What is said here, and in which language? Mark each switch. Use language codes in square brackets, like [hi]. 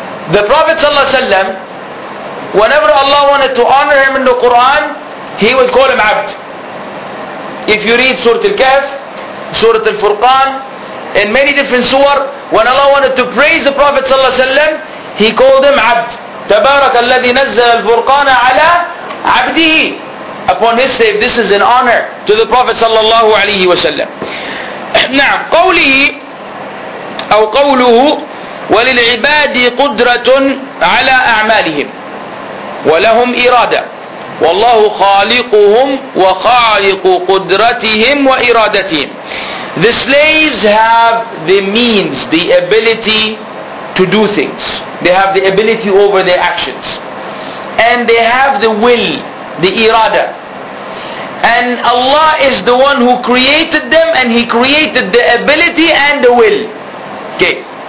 [en] The Prophet sallallahu alaihi wasallam, whenever Allah wanted to honor him in the Quran, he would call him abd. If you read Surah Al-Kahf, Surah Al-Furqan, in many different surah, when Allah wanted to praise the Prophet sallallahu alaihi wasallam, he called him abd. [ar] تبارك الذي نزل الفرقان على عبده. [en] Upon his slave, this is an honor to the Prophet صلى الله عليه وسلم. [ar] نعم قوله أو قوله وللعباد قدرة على أعمالهم ولهم إرادة والله خالقهم وخالق قدرتهم وإرادتهم. [en] The slaves have the means, the ability to do things. They have the ability over their actions. And they have the will, the irada. And Allah is the one who created them, and He created the ability and the will. Okay.